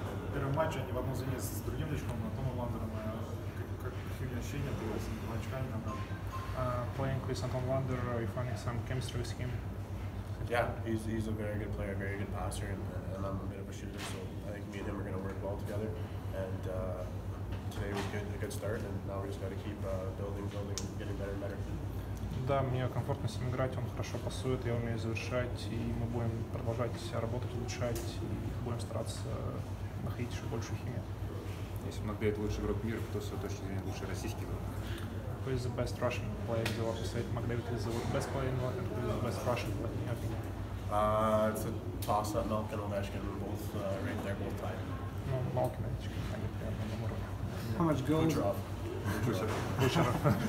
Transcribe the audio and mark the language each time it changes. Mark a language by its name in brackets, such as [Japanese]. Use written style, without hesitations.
[Russian] В первом матче они в одном звене с другим очком, на Томом Ландером. Какие ощущения было с этими очками? [English] Playing with Anton Lander, are you finding some chemistry with him? Yeah, he's a very good player, very good passer, and I'm a bit of a shooter, so I think me and him are going to work well together. And today was good, a good start, and now we just got to keep building, getting better and better. [Russian] Да, мне комфортно с ним играть, он хорошо пасует, я умею завершать, и мы будем продолжать себя работать, улучшать, и будем стараться находить еще больше химии. Если МакДэвид лучший игрок мира, то с точки зрения лучший российский игрок. [English] Who is the best Russian player in the world? You said McDavid is the best player in the world. Who is the best Russian player in your opinion? It's a toss-up. Malkin and Ovechkin are both right there, both tied. No, Malkin and Ovechkin, I get there on the number one. How much goals? Kucherov.